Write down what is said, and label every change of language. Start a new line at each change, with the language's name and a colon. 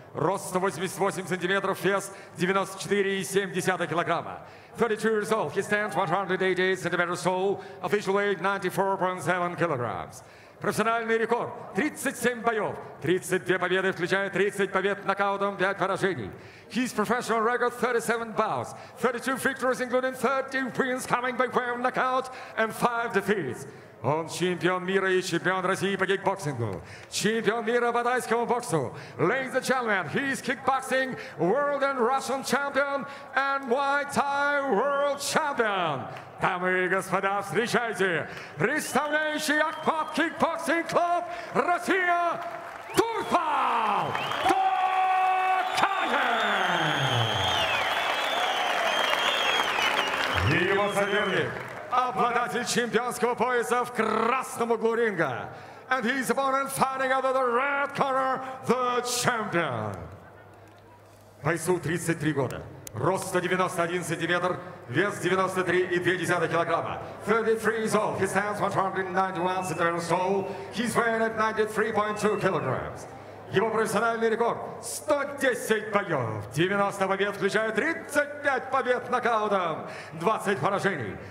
Russian: Рост 188 сантиметров, вес 94,7 килограмма.
English: 32 years old. He stands 188 centimeters tall. Official weight 94.7 kilograms.
Russian: Профессиональный рекорд. 37 боев. 32 победы, включая 30 побед нокаутом, 5 поражений.
English: His professional record 37 bouts. 32 victories, including 30 wins coming by way of knockout and 5 defeats.
Russian: Он чемпион мира и чемпион России по кикбоксингу. Чемпион мира по тайскому боксу.
English: Ladies and gentlemen, he is kickboxing world and Russian champion and Muay Thai world champion.
Russian: Дамы и господа, встречайте представляющий Ахмат Кикбоксинг Клуб Россия Турпал Токаев. И его соперник. Обладатель чемпионского пояса в красном углу ринга.
English: And his opponent fighting out of the red corner, the champion.
Russian: Бойцу 33 года. Рост 191 сантиметр, вес 93,2 килограмма.
English: 33 years old. He stands 191 centimeters tall. He's weighing at 93.2 kilograms.
Russian: Его профессиональный рекорд 110 боев, 90 побед, включая 35 побед нокаутом, 20 поражений.